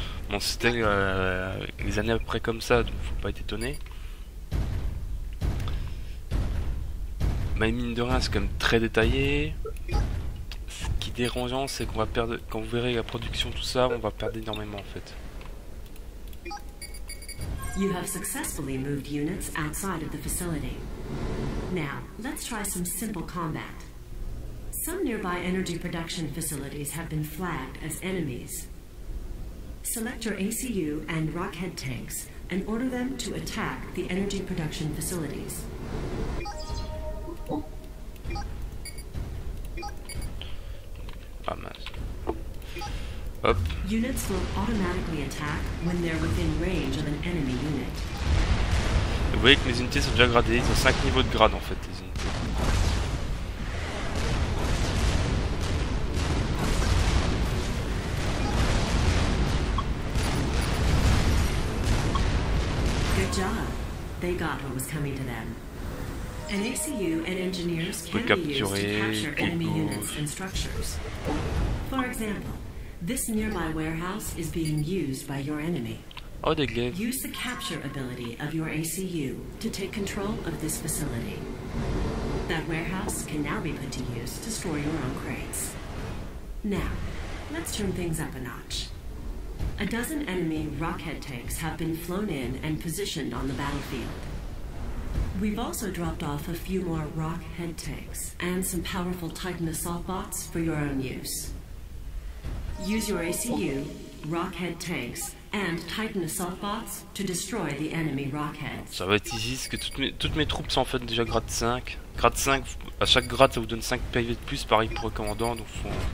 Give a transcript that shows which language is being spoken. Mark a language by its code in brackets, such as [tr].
[fr] Bon, c'était les années à peu près comme ça, donc faut pas être étonné. Mais mine de rien, c'est quand même très détaillé. Ce qui est dérangeant, c'est qu'on va perdre... Quand vous verrez la production, tout ça, on va perdre énormément, en fait. [en] You have successfully moved units outside of the facility. Now, let's try some simple combat. Some nearby energy production facilities have been flagged as enemies. Select your ACU and rockhead tanks and order them to attack the energy production facilities. [fr] Oh, mince. Hop. [en] Units will automatically attack when they're within range of an enemy unit. [fr] Vous voyez que mes unités sont déjà gradées, ils ont 5 niveaux de grade en fait, les unités. [en] Good job. They got what was coming to them. [fr] On peut capturer quelque chose. [en] For example, this nearby warehouse is being used by your enemy. [fr] Oh, des glaives. [en] Use the capture ability of your ACU to take control of this facility. That warehouse can now be put to use to store your own crates. Now, let's turn things up a notch. A dozen enemy rockhead tanks have been flown in and positioned on the battlefield. We've also dropped off a few more rockhead tanks and some powerful Titan assault bots for your own use. Use your ACU, rockhead tanks, and Titan assault bots to destroy the enemy rockheads. [fr] Ça va être easy, parce que toutes mes troupes sont en fait déjà grade 5. Grade 5, à chaque grade, ça vous donne 5 PV de plus, pareil pour le commandant, donc faut...